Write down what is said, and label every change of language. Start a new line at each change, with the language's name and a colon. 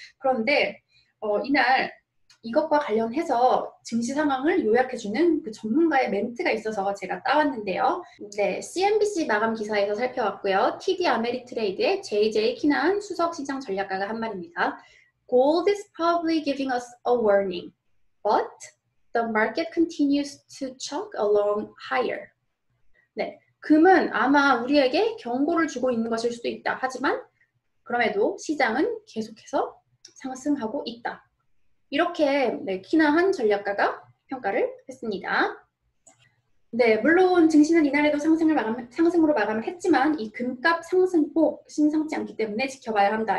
Korean: 그런데 이날 이것과 관련해서 증시 상황을 요약해주는 그 전문가의 멘트가 있어서 제가 따왔는데요. 네, CNBC 마감 기사에서 살펴봤고요. TD 아메리트레이드의 JJ 키나한 수석 시장 전략가가 한 말입니다.
English: Gold is probably giving us a warning, but the market continues to chug along higher.
Korean: 네, 금은 아마 우리에게 경고를 주고 있는 것일 수도 있다. 하지만 그럼에도 시장은 계속해서 상승하고 있다. 이렇게 네, 키나한 전략가가 평가를 했습니다. 네, 물론 증시는 이날에도 상승으로 마감을 했지만 이 금값 상승폭 심상치 않기 때문에 지켜봐야 한다.